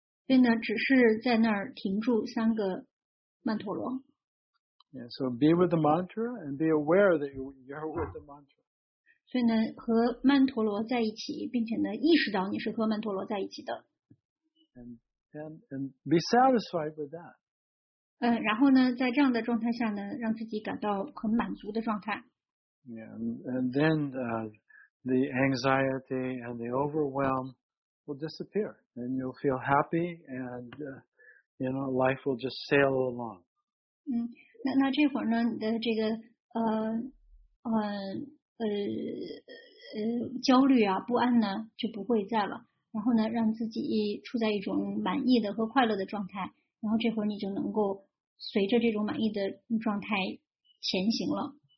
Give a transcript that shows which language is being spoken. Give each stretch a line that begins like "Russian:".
Chinese: 所以呢只是在那儿停住三个曼陀罗
English: Yeah, so be with the mantra and be aware that you're with the mantra
Chinese: 所以呢和曼陀罗在一起并且呢意识到你是和曼陀罗在一起的
English: and be satisfied with that
Chinese: 然后呢在这样的状态下呢让自己感到很满足的状态
English: Yeah, and then the anxiety and the overwhelm will disappear, and you'll feel happy, and life will just sail along.
Chinese: 那这会儿呢，你的这个焦虑啊、不安呢就不会在了。然后呢，让自己处在一种满意的和快乐的状态，然后这会儿你就能够随着这种满意的状态前行了。